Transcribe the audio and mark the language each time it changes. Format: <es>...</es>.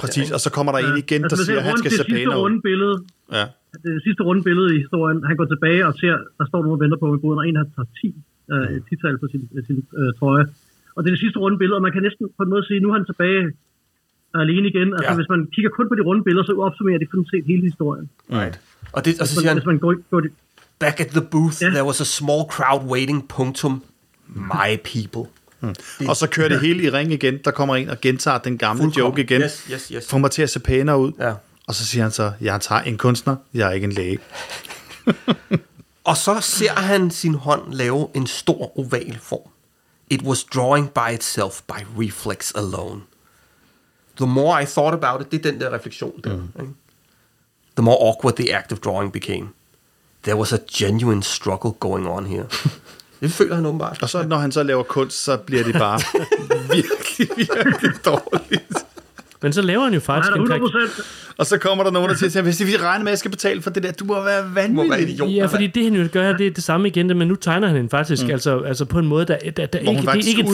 <da>Præcis, og så kommer der en igen, der altså, siger, at han skal se pænere. Det sidste runde billede. Ja. Det sidste runde billede i historien, han går tilbage og ser, der står nogen og venter på ham i boden, og en har taget 10 tital på sin trøje. Og det er det sidste runde billede, og man kan næsten på en måde sige, nu er han tilbage alene igen. Altså, ja. Hvis man kigger kun på de runde billeder, så opsummerer det kun set hele historien.</da> <en>Right.</en> <da>Og så siger han,</da> <en>back at the booth, there was a small crowd waiting,</en> <da>punktum,</da> <en>my people.</en> <da>Og så kører det hele i ring igen. Der kommer en og gentager den gamle joke igen.</da> <en>Yes, yes, yes.</en> <da>Får mig til at se pænere ud. Ja. Og så siger han så, jeg tager en kunstner, jeg er ikke en læge. Og så ser han sin hånd lave en stor oval form.</da> <en>It was drawing by itself, by reflex alone. The more I thought about it,</en> <da>det er den der refleksion der.</da> <en>Mm-hmm. The more awkward the act of drawing became. There was a genuine struggle going on here.</en> <da>Det føler han åbenbart. Og så når han så laver kunst, så bliver det bare virkelig, virkelig dårligt. Men så laver han jo faktisk en trick. Og så kommer der nogen, der siger, hvis vi regner med, at jeg skal betale for det der, du må være vanvittig. Må være idiot, ja, fordi det han jo gør her, det er det samme igen, men nu tegner han en faktisk, altså på en måde, der ikke, det er ikke et flatterende</da>